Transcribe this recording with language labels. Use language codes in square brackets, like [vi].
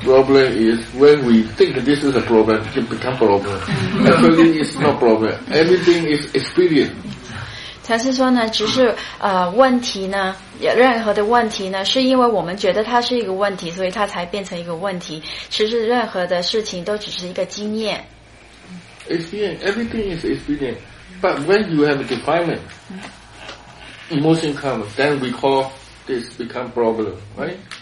[en] Problem is when we think that this is a problem, it becomes a problem. Actually, it's not a problem. Everything is experience. [zh] 他是说呢，只是问题呢，任何的问题呢，是因为我们觉得它是一个问题，所以它才变成一个问题。其实任何的事情都只是一个经验。 [en] Experience, everything is experience, but when you have a defilement, emotion comes, then we call this become problem, right?